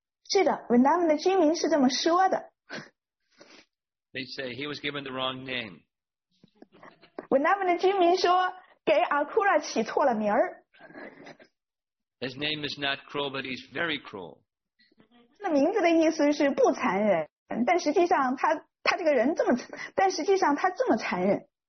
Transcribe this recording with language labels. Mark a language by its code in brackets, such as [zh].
[zh] 是的，文达文的居民是这么说的。 [en] They say he was given the wrong name. [zh] 文达文的居民说给阿库拉起错了名儿。 [en] His name is not cruel, but he's very cruel. [zh] 那名字的意思是不残忍，但实际上他这个人这么，但实际上他这么残忍。